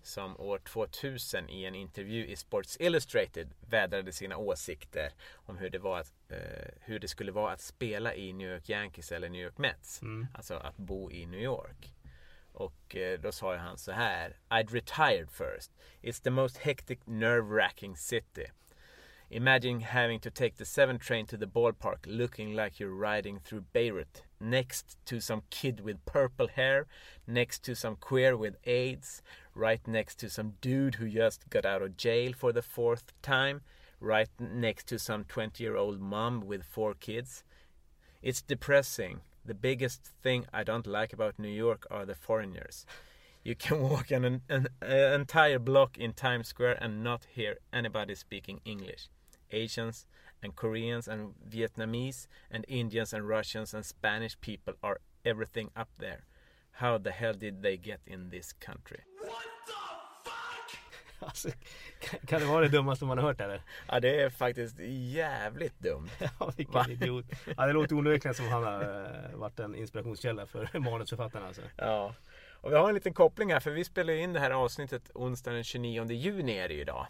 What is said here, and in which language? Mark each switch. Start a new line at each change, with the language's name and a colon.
Swedish: Som år 2000 i en intervju i Sports Illustrated vädrade sina åsikter om hur det var att, hur det skulle vara att spela i New York Yankees eller New York Mets. Mm. Alltså att bo i New York. Och då sa han så här:
English: I'd retired first. It's the most hectic, nerve-wracking city. Imagine having to take the 7 train to the ballpark looking like you're riding through Beirut next to some kid with purple hair, next to some queer with AIDS, right next to some dude who just got out of jail for the 4th time, right next to some 20-year-old mom with 4 kids. It's depressing. The biggest thing I don't like about New York are the foreigners. You can walk an entire block in Times Square and not hear anybody speaking English. Asians and Koreans and Vietnamese and Indians and Russians and Spanish people are everything up there. How the hell did they get in this country? What the fuck?
Swedish: Alltså, kan det vara det dummaste man har hört eller? Ja, det är faktiskt jävligt dumt. Ja, vilken idiot. Ja, det låter onödigt som han har varit en inspirationskälla för manusförfattarna. Alltså. Ja. Och vi har en liten koppling här, för vi spelar in det här avsnittet onsdagen den 29 juni är det idag.